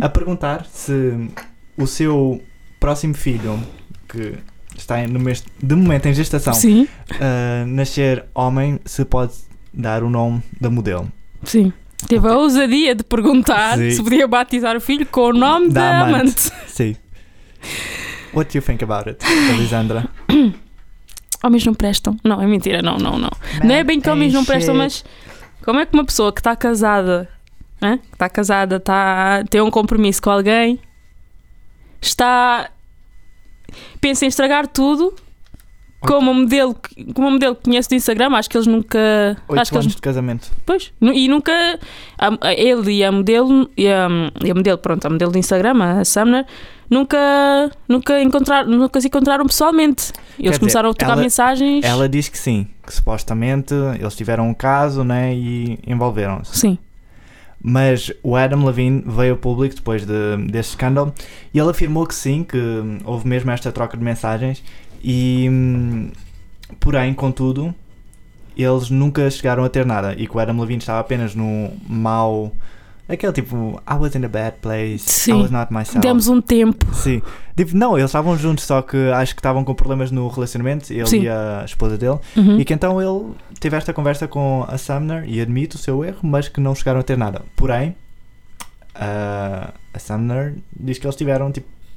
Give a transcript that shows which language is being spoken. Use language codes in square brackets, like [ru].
[pt] a perguntar se o seu próximo filho, que está no de momento em gestação, sim. Nascer homem, se pode dar o nome da modelo. Sim. Teve a ousadia de perguntar sim. se podia batizar o filho com o nome da amante. Sim. [en] What do you think about it, Alisandra? [pt] Homens não prestam. Não, é mentira, não. Man, não é bem que homens shit. Não prestam, mas como é que uma pessoa que está casada, hein? Que está casada, tá, tem um compromisso com alguém, está, pensa em estragar tudo com uma modelo que conhece do Instagram. Acho que eles nunca... 8 acho que anos eles, de casamento. Pois, e nunca ele e a modelo pronto, a modelo do Instagram, a Sumner, nunca se encontraram pessoalmente. Eles Quer começaram dizer, a trocar mensagens. Ela diz que sim, que supostamente eles tiveram um caso, né, e envolveram-se. Sim. Mas o Adam Levine veio ao público depois deste escândalo e ele afirmou que sim, que houve mesmo esta troca de mensagens e, porém, contudo, eles nunca chegaram a ter nada e que o Adam Levine estava apenas no mau... Aquele tipo, [en] I was in a bad place, [pt] sim. [en] I was not myself. [pt] Demos um tempo. Sim. Tipo, não, eles estavam juntos, só que acho que estavam com problemas no relacionamento, ele sim. e a esposa dele. Uhum. E que então ele teve esta conversa com a Sumner e admite o seu erro, mas que não chegaram a ter nada. Porém, a Sumner diz que eles tiveram, tipo...